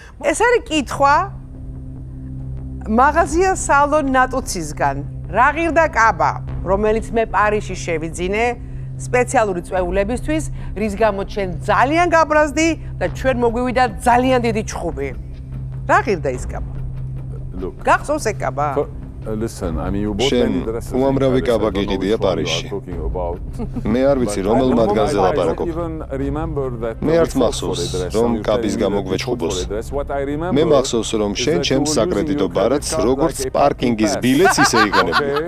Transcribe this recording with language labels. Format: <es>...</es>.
<ka>ეს არის კითხვა მაღაზია სალონ ნატუცისგან. რა ღირდა კაბა, რომელიც მე პარიზში შევიძინე სპეციალური წვეულებისთვის, რის გამოც ჩვენ ძალიან გაბრაზდი და ჩვენ მოგვივიდა ძალიან დიდი ჩხუბი. რა ღირდა ის კაბა? გახსოვს ეს კაბა?</ka> <en>Listen, I mean you both need to address.</en> <ka>უამრავი კაბა გიყიდია პარიზში. მე არ ვიცი რომელ მაგაზიაზე ლაპარაკობ. მე არ მახსოვს რომ კაბის გამო გვეჭუბოს. მე მახსოვს რომ შენ ჩემს საკრედიტო ბარათს როგორც პარკინგის ბილეთს ისე იგონებ.</ka>